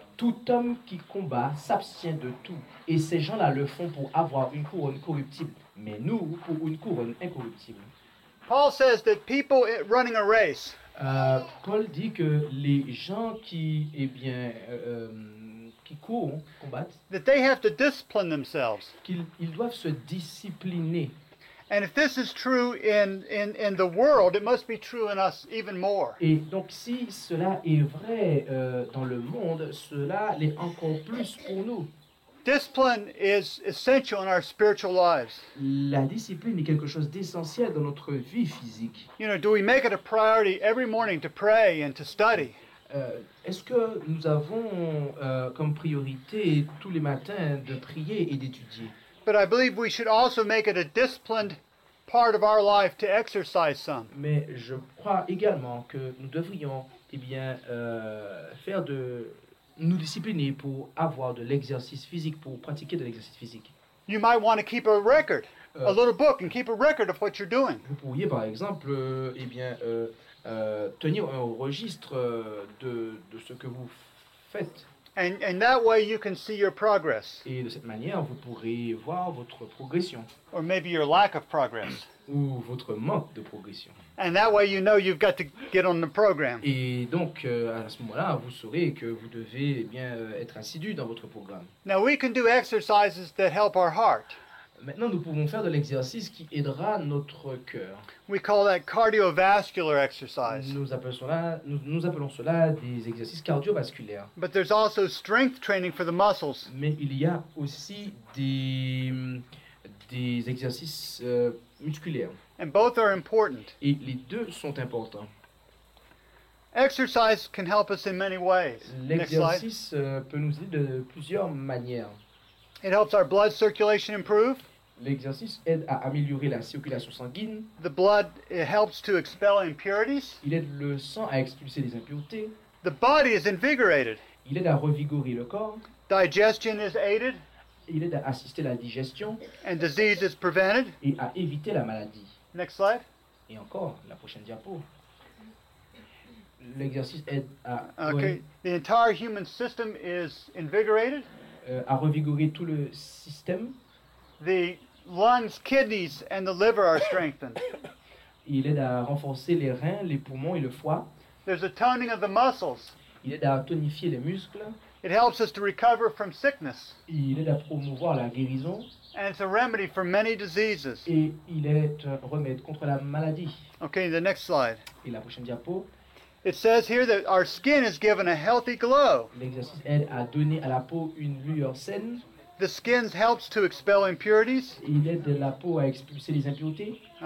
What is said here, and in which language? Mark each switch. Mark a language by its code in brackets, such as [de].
[fr] Tout homme qui combat s'abstient de tout, et ces gens-là le font pour avoir une couronne corruptible, mais nous pour une couronne incorruptible. [en] Paul says that people running a race. [fr] Paul dit que les gens qui, eh bien, qui courent, combattent, [en] that they have to discipline themselves. [fr] Qu'ils doivent se discipliner. [en] And if this is true in the world, it must be true in us even more. [fr] Et donc si cela est vrai dans le monde, cela l'est encore plus pour nous. [en] Discipline is essential in our spiritual lives. [fr] La discipline est quelque chose d'essentiel dans notre vie physique. [en] You know, do we make it a priority every morning to pray and to study? [fr] Est-ce que nous avons comme priorité tous les matins de prier et d'étudier? [en] But I believe we should also make it a disciplined part of our life to exercise some. [fr] Mais je crois également que nous devrions, eh bien, faire de nous discipliner pour avoir de l'exercice physique, pour pratiquer de l'exercice physique. [en] You might want to keep a record, a little book, and keep a record of what you're doing. [fr] Vous pourriez, par exemple, eh bien, tenir un registre de ce que vous faites. [en] And that way you can see your progress. [fr] Et de cette manière, vous pourrez voir votre progression. [en] Or maybe your lack of progress. [fr] Ou votre manque de progression. [en] And that way you know you've got to get on the program. [fr] Et donc à ce moment-là, vous saurez que vous devez eh bien être assidu dans votre programme. [en] Now we can do exercises that help our heart. [fr] Maintenant, nous pouvons faire de l'exercice qui aidera notre cœur. [en] We call that cardiovascular exercise. [fr] Nous appelons cela des exercices cardiovasculaires. [en] But there's also strength training for the muscles. [fr] Mais il y a aussi des exercices musculaires. [en] And both are important. [fr] Et les deux sont importants. [en] Exercise can help us in many ways. [fr] L'exercice peut nous aider de plusieurs manières. [en] It helps our blood circulation improve. [fr] L'exercice aide à améliorer la circulation sanguine. [en] The blood helps to expel impurities. [fr] Il aide le sang à expulser les impuretés. [en] The body is invigorated. [fr] Il aide à revigorer le corps. [en] Digestion is aided. [fr] Il aide à assister la digestion. [en] And disease is prevented. [fr] Et à éviter la maladie. [en] Next slide. [fr] Et encore, la prochaine diapo. L'exercice aide à... [en] Okay. The entire human system is invigorated. [fr] À revigorer tout le système. [en] The lungs, kidneys, and the liver are strengthened. [fr] Il aide à renforcer les reins, les poumons et le foie. [en] There's a toning of the muscles. [fr] Il aide à tonifier les muscles. [en] It helps us to recover from sickness. [fr] Il aide à promouvoir la guérison. [en] And it's a remedy for many diseases. [fr] Et il est un remède contre la maladie. [en] Okay, the next slide. [fr] Et la prochaine diapo. [en] It says here that our skin is given a healthy glow. [fr] L'exercice aide à donner à la peau une lueur saine. [en] The skin helps to expel impurities. [fr] Il aide la peau à expulser les impuretés.